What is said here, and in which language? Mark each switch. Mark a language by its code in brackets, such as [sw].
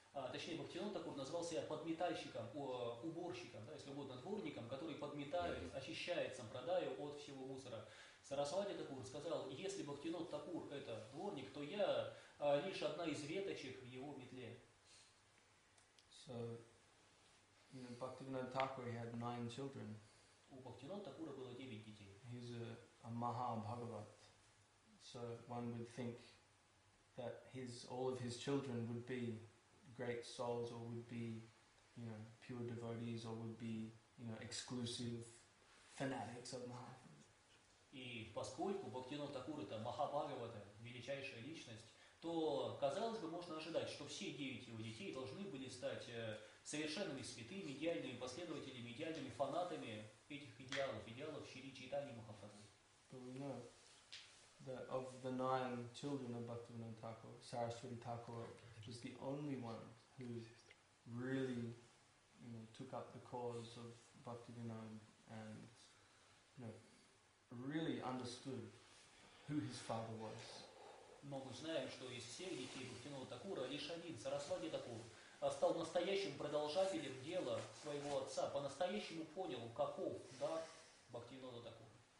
[ru] Точнее, Бхактивинода Такур назвал себя подметальщиком, уборщиком, да, если угодно, дворником, который подметает, очищает сампрадаю от всего мусора. Сарасвати Такур сказал, если Бхактивинода Такур – это дворник, то я лишь одна из веточек в его метле. [en] So, Bhaktivinoda Thakur, he had 9 children. [ru] У Бхактивинода Такура было 9 детей. [en] He's a Mahābhagavat. So one would think that all of his children would be great souls, or would be pure devotees, or would be exclusive fanatics of Mahāprabhu. [ru] И поскольку Бхактивинода Такур это Махабхагавата, величайшая личность, то казалось бы, можно ожидать, что все 9 его детей должны были стать совершенными святыми, идеальными последователями, идеальными фанатами этих идеалов Шри Чайтаньи Махапрабху. [en] But we know that of the 9 children of Bhaktivinoda Thakur, Sarasvati Thakur was the only one who really took up the cause of Bhaktivinoda and really understood who his father was. [ru] Но мы знаем, что из всех детей Бхактивинода Такура лишь один, Сарасвати Такур, стал настоящим продолжателем дела своего отца, по-настоящему понял, каков дар Бхактивинода Такура.